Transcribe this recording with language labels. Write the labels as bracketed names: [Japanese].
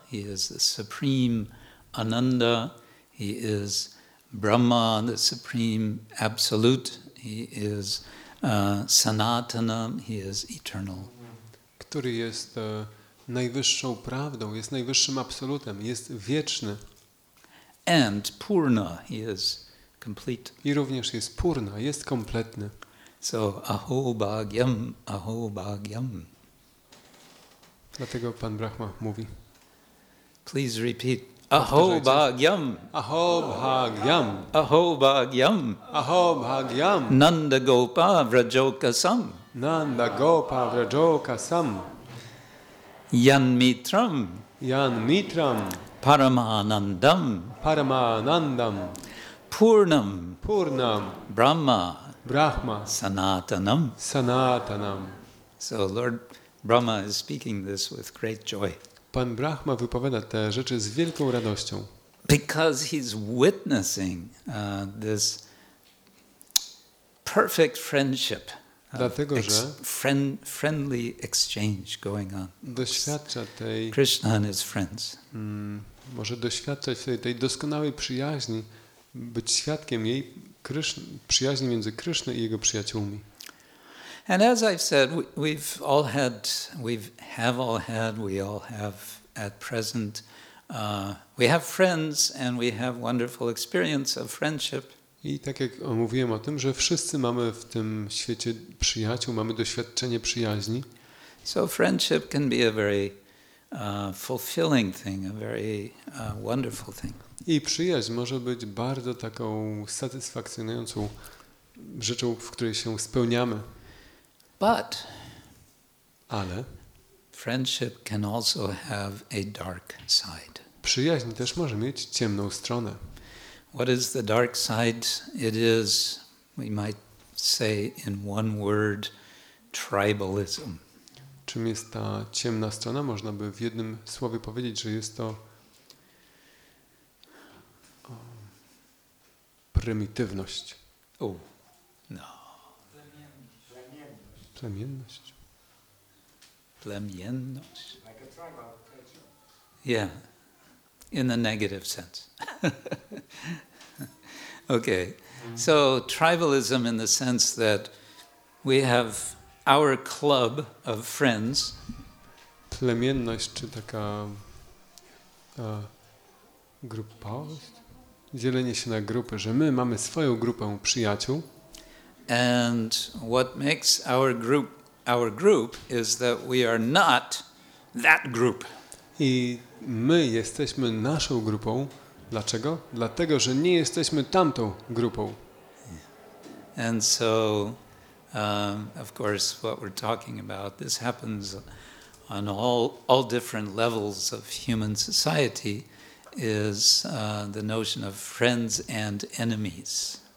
[English] He is the supreme Ananda. He is Brahma, the supreme absolute. He is Sanatanam, he is eternal. [Polish] Który jest najwyższą prawdą, jest najwyższym absolutem, jest wieczny. [English] And Purna, he is complete. [Polish] I również jest Purna, jest kompletny. [Sanskrit] So aho bhagyam, aho bhagyam. [Polish] Dlatego Pan Brahma mówi. [English] Please repeat. [Sanskrit] Aho bhagyam. Aho bhagyam. Aho bhagyam. Aho bhagyam. Nanda gopa vrajokasam. Nanda gopa vrajokasam. Yan mitram. Yan mitram. Paramanandam. Paramanandam. Purnam. Purnam. Brahma. Brahma. Sanatanam. Sanatanam. [English] So Lord Brahma is speaking this with great joy. [Polish] Pan Brahma wypowiada te rzeczy z wielką radością. [English] Because he's witnessing this perfect friendship. [Polish] Dlatego, że [English] friendly exchange going on. [Polish] Doświadcza tej [English] Krishna and his friends. [Polish] Może doświadczać tej doskonałej przyjaźni, być świadkiem jej przyjaźni między Krishną i jego przyjaciółmi. [English] And as I've said, we have at present, we have friends and we have wonderful experience of friendship. [Polish] I tak jak mówiłem o tym, że wszyscy mamy w tym świecie przyjaciół, mamy doświadczenie przyjaźni. [English] So friendship can be a very fulfilling thing, a very wonderful thing. [Polish] I przyjaźń może być bardzo taką satysfakcjonującą rzeczą, w której się spełniamy. [English] But [Polish] ale [English] friendship can also have a dark side. [Polish] przyjaźń też może mieć ciemną stronę. [English] What is the dark side? It is, we might say in one word, tribalism. [Polish] Czym jest ta ciemna strona? Można by w jednym słowie powiedzieć, że jest to prymitywność. [English] Oh, no. [Polish] Plemienność. Plemienność. [English] Yeah, in a negative sense. Okay, so tribalism in the sense that we have our club of friends. [Polish] Plemienność, czy taka grupa, dzielenie się na grupy, że my mamy swoją grupę przyjaciół. [English] And what makes our group is that we are not that group. [Polish] I my jesteśmy naszą grupą. Dlaczego? Dlatego, że nie jesteśmy tamtą grupą. [English] And so, of course, what we're talking about, this happens on all different levels of human society, is the notion of friends and enemies.